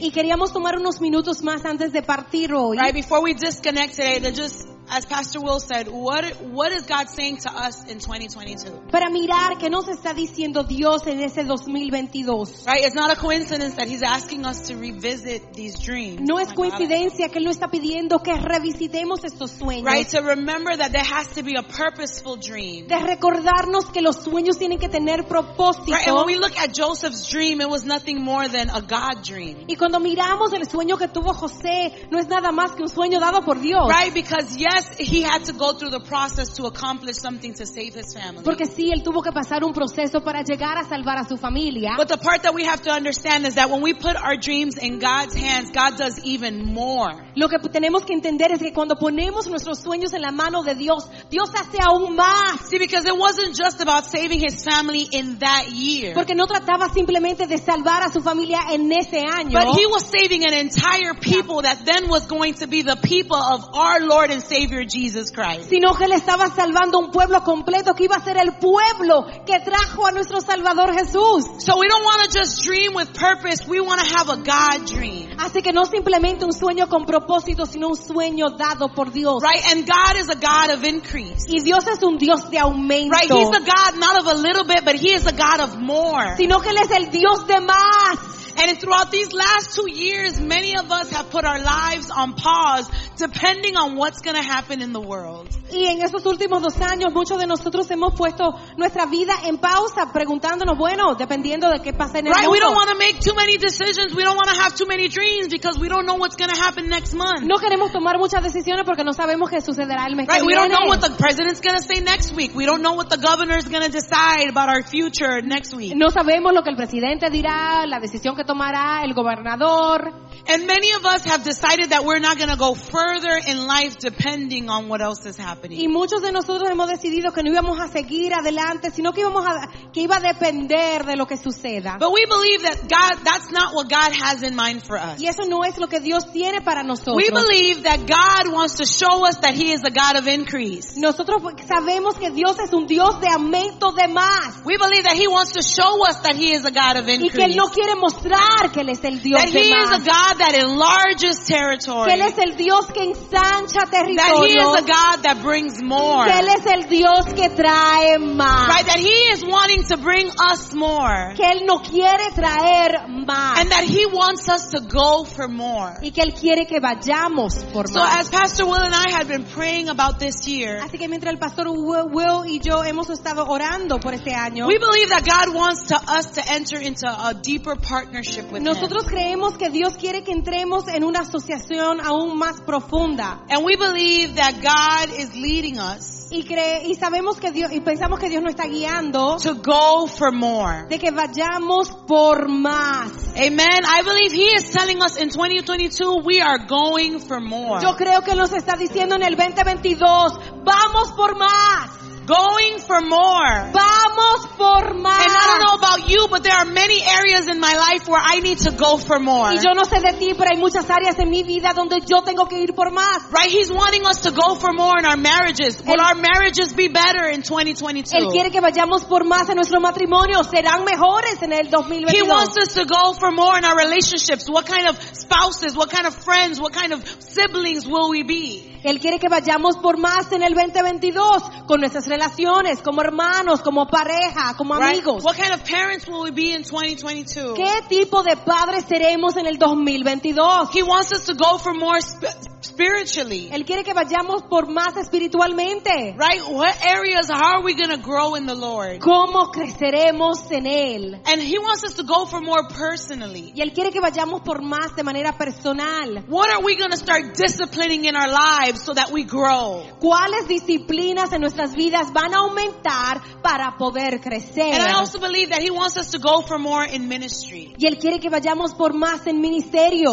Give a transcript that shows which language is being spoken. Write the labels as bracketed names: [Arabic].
[Spanish] Y queríamos tomar unos minutos más antes de partir hoy. [English] Right, before we disconnect today, they're just, as Pastor Will said, what is God saying to us in 2022? [Spanish] Para mirar qué nos está diciendo Dios en ese 2022. [English] Right, it's not a coincidence that He's asking us to revisit these dreams. [Spanish] No es coincidencia que Él nos está pidiendo que revisitemos estos sueños. [English] Right, to remember that there has to be a purposeful dream. [Spanish] De recordarnos que los sueños tienen que tener propósito. [English] Right, and when we look at Joseph's dream, it was nothing more than a God dream. [Spanish] Y cuando miramos el sueño que tuvo José, no es nada más que un sueño dado por Dios. [English] Right, because yes, he had to go through the process to accomplish something to save his family. [Spanish] Porque sí, él tuvo que pasar un proceso para llegar a salvar a su familia. [English] But the part that we have to understand is that when we put our dreams in God's hands, God does even more. [Spanish] Lo que tenemos que entender es que cuando ponemos nuestros sueños en la mano de Dios, Dios hace aún más. [English] See, because it wasn't just about saving his family in that year. [Spanish] Porque no trataba simplemente de salvar a su familia en ese año. [English] But he was saving an entire people that then was going to be the people of our Lord and Savior Jesus Christ. [Spanish] Sino que él estaba salvando un pueblo completo que iba a ser el pueblo que trajo a nuestro Salvador Jesús. [English] So we don't want to just dream with purpose, we want to have a God dream. [Spanish] Así que no simplemente un sueño con propósito, sino un sueño dado por Dios. [English] Right, and God is a God of increase. [Spanish] Y Dios es un Dios de aumento. [English] Right, he's a God not of a little bit, but he is a God of more. [Spanish] Sino que él es el Dios de más. [English] And throughout these last 2 years, many of us have put our lives on pause depending on what's going to happen in the world. [Spanish] Y en estos últimos dos años, muchos de nosotros hemos puesto nuestra vida en pausa preguntándonos, bueno, dependiendo de qué pasa en el mundo. [English] Right, we don't want to make too many decisions. We don't want to have too many dreams because we don't know what's going to happen next month. [Spanish] No queremos tomar muchas decisiones porque no sabemos qué sucederá el mes que viene. [English] Right, we don't know what the president's going to say next week. We don't know what the governor's going to decide about our future next week. [Spanish] No sabemos lo que el presidente dirá, la decisión que tomará el gobernador. [English] And many of us have decided that we're not going to go further in life depending on what else is happening. [Spanish] Y muchos de nosotros hemos decidido que no íbamos a seguir adelante, sino que íbamos a que iba a depender de lo que suceda. [English] But we believe that God—that's not what God has in mind for us. [Spanish] Y eso no es lo que Dios tiene para nosotros. [English] We believe that God wants to show us that He is a God of increase. [Spanish] Nosotros sabemos que Dios es un Dios de aumento de más. [English] We believe that He wants to show us that He is a God of increase. [Spanish] Y que él no quiere mostrar que él es el Dios de más. [English] God that enlarges territory. [Spanish] Que él es el Dios que ensancha territorio. [English] That He is a God that brings more. [Spanish] Que él es el Dios que trae más. [English] Right, that He is wanting to bring us more. [Spanish] Que él no quiere traer más. [English] And that He wants us to go for more. [Spanish] Y que él quiere que vayamos por más. [English] So as Pastor Will and I had been praying about this year. [Spanish] Así que mientras el Pastor Will y yo hemos estado orando por este año. [English] We believe that God wants us to enter into a deeper partnership with [Spanish] nosotros [English] Him. [Spanish] Creemos que Dios quiere que entremos en una asociación aún más profunda. [English] And we believe that God is leading us. [Spanish] Y sabemos que Dios, y pensamos que Dios nos está guiando. [English] To go for more. [Spanish] De que vayamos por más. [English] Amen. I believe He is telling us in 2022 we are going for more. [Spanish] Yo creo que nos está diciendo en el 2022, vamos por más. [English] Going for more. [Spanish] Vamos por más. [English] And I don't know about you, but there are many areas in my life where I need to go for more. [Spanish] Y yo no sé de ti, pero hay muchas áreas en mi vida donde yo tengo que ir por más. [English] Right, He's wanting us to go for more in our marriages. Will our marriages be better in 2022? [Spanish] Él quiere que vayamos por más en nuestro matrimonio. Serán mejores en el 2022. [English] He wants us to go for more in our relationships. What kind of spouses? What kind of friends? What kind of siblings will we be? [Spanish] Él quiere que vayamos por más en el 2022 con nuestras relaciones, como hermanos, como pareja, como amigos. [English] Right. What kind of parents will we be in 2022? [Spanish] ¿Qué tipo de padres seremos en el 2022? [English] He wants us to go for more spiritually. [Spanish] Él quiere que vayamos por más espiritualmente. [English] Right? What areas are we going to grow in the Lord? [Spanish] ¿Cómo creceremos en él? [English] And He wants us to go for more personally. [Spanish] Y él quiere que vayamos por más de manera personal. [English] What are we going to start disciplining in our lives so that we grow? [Spanish] ¿Cuáles disciplinas en nuestras vidas van a aumentar para poder crecer? [English] And I also believe that He wants us to go for more in ministry. [Spanish] Y él quiere que vayamos por más en ministerio.